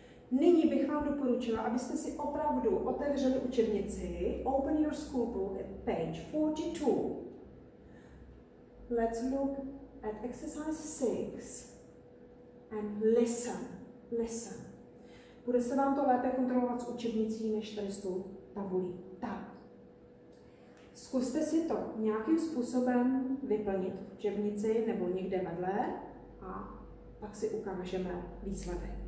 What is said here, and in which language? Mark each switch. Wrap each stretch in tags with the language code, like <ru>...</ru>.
<cs>Nyní bych vám doporučila, abyste si opravdu otevřeli učebnici.</cs> <en>Open your school book at page 42. Let's look at exercise 6 and listen. Listen.</en> <cs>Bude se vám to lépe kontrolovat s učebnicí než tady s tou tabulí. Tak. Zkuste si to nějakým způsobem vyplnit v učebnici nebo někde vedle. A pak si ukážeme výsledek.</cs>